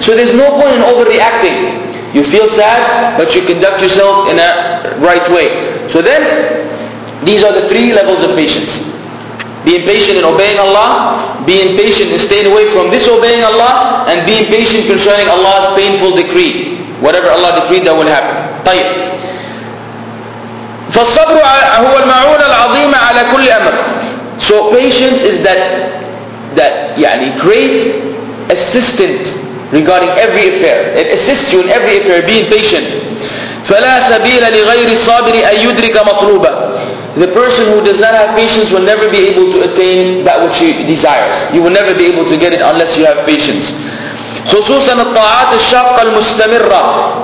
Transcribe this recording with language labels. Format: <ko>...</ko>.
<en>So there's no point in overreacting. You feel sad, but you conduct yourself in a right way. So then, these are the three levels of patience. Being patient in obeying Allah, being patient in staying away from disobeying Allah, and being patient concerning Allah's painful decree. Whatever Allah decreed, that will happen.</en> <ar>طيب. فالصبر هو المعونة العظيمة على كل أمر.</ar> <en>So patience is that great assistant regarding every affair. It assists you in every affair, being patient.</en> <ar>فلا سبيل لغير الصابر أن يدرك مطلوبه.</ar> <en>The person who does not have patience will never be able to attain that which he desires. You will never be able to get it unless you have patience.</en> <ar>خصوصا الطاعات الشاقة المستمرة.</ar>